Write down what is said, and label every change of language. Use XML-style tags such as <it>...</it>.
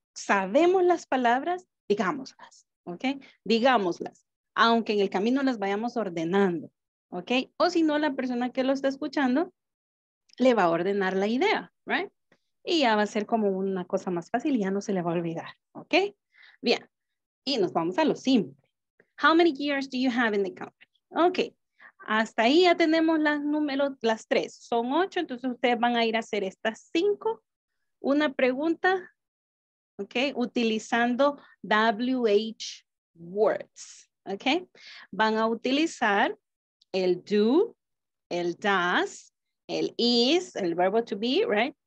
<es>Sabemos las palabras, digámoslas, ¿ok? Digámoslas, aunque en el camino las vayamos ordenando, ¿ok? O si no, la persona que lo está escuchando le va a ordenar la idea, right? Y ya va a ser como una cosa más fácil y ya no se le va a olvidar, ¿ok? Bien. Y nos vamos a lo simple.</es> <en>How many years do you have in the company? Ok.</en> <es>Hasta ahí ya tenemos las números, las tres. Son ocho, entonces ustedes van a ir a hacer estas cinco. Una pregunta, ok, utilizando WH words, ok. Van a utilizar el do, el does, el is, el verbo to be, right?</es>